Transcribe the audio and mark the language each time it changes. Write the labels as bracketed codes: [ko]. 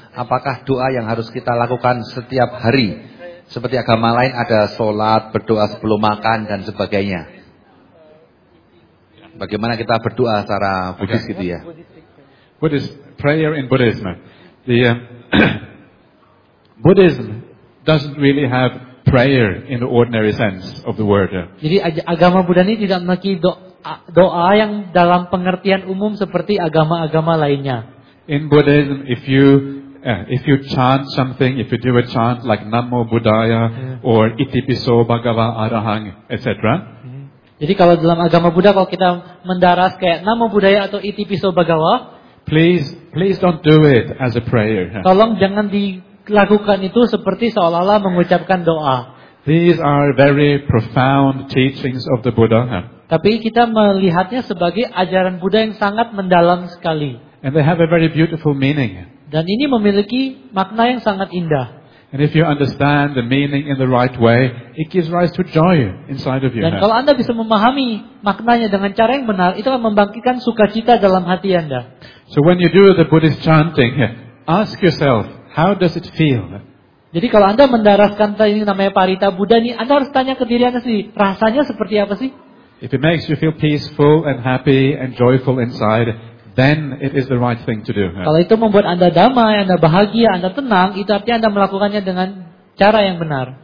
[id] Apakah doa yang harus kita lakukan setiap hari? Seperti agama lain ada sholat, berdoa sebelum makan dan sebagainya. Bagaimana kita berdoa secara Buddhis, okay, gitu ya? [en] Buddhist prayer in Buddhism. The Buddhism doesn't really have prayer in the ordinary sense of the word. [id] Jadi agama Buddha ini tidak memiliki doa yang dalam pengertian umum seperti agama-agama lainnya. [en] In Buddhism, if you chant something, if you do a chant like Namo Buddhaya, yeah, or Itipiso Bhagava Arahang, etc. [id] Jadi kalau dalam agama Buddha, kalau kita mendaras kayak Namo Buddhaya atau Itipiso Bhagava, [en] please don't do it as a prayer. [id] Tolong jangan dilakukan itu seperti seolah-olah mengucapkan doa. [en] These are very profound teachings of the Buddha. [id] Tapi kita melihatnya sebagai ajaran Buddha yang sangat mendalam sekali. [en] And they have a very beautiful meaning. [id] Dan ini memiliki makna yang sangat indah. [en] And if you understand the meaning in the right way, it gives rise to joy inside of you. [id] Dan kalau Anda bisa memahami maknanya dengan cara yang benar, itu akan membangkitkan sukacita dalam hati Anda. [en] So when you do the Buddhist chanting, ask yourself, how does it feel? [id] Jadi kalau Anda mendaraskan ini namanya Paritta Buddha ini, Anda harus tanya ke diri Anda sendiri, rasanya seperti apa sih? [en] If it makes you feel peaceful and happy and joyful inside, then it is the right thing to do. [id] Kalau itu membuat Anda damai, Anda bahagia, Anda tenang, itu artinya Anda melakukannya dengan cara yang benar.